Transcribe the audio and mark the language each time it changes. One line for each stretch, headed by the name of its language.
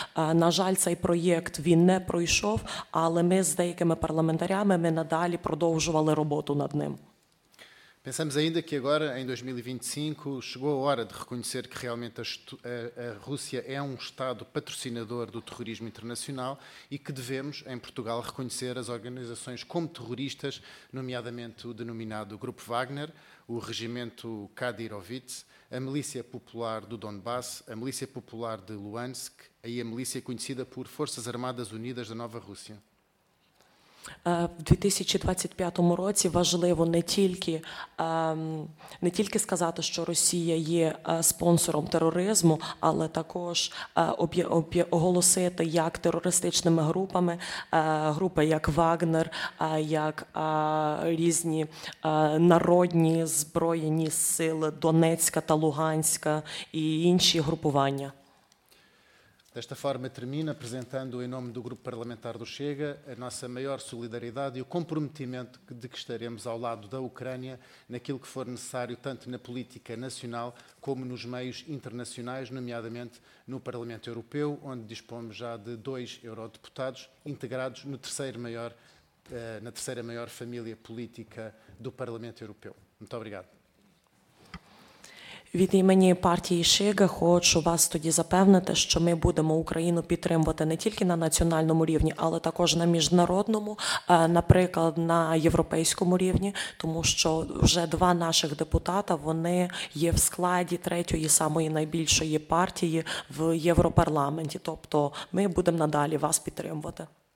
Ukrainian: На жаль, цей проєкт він не пройшов, але ми з деякими парламентарями ми надалі продовжували роботу над ним.
Portuguese: Pensamos ainda que agora, em 2025, chegou a hora de reconhecer que realmente a Rússia é um Estado patrocinador do terrorismo internacional e que devemos, em Portugal, reconhecer as organizações como terroristas, nomeadamente o denominado Grupo Wagner, o Regimento Kadyrovits, a Milícia Popular do Donbass, a Milícia Popular de Luhansk e a Milícia conhecida por Forças Armadas Unidas da Nova Rússia.
Ukrainian: В 2025 році важливо не тільки сказати, що Росія є спонсором тероризму, але також оголосити як терористичними групами, групи як Вагнер, як різні народні збройні сили Донецька та Луганська і інші групування.
Portuguese: Desta forma, termino apresentando, em nome do Grupo Parlamentar do Chega, a nossa maior solidariedade e o comprometimento de que estaremos ao lado da Ucrânia naquilo que for necessário, tanto na política nacional como nos meios internacionais, nomeadamente no Parlamento Europeu, onde dispomos já de 2 eurodeputados integrados no terceira maior família política do Parlamento Europeu. Muito obrigado.
Ukrainian: Від імені партії ШЕГА хочу вас тоді запевнити, що ми будемо Україну підтримувати не тільки на національному рівні, але також на міжнародному, наприклад, на європейському рівні, тому що вже 2 наших депутата, вони є в складі 3-ї самої найбільшої партії в Європарламенті. Тобто ми будемо надалі вас підтримувати.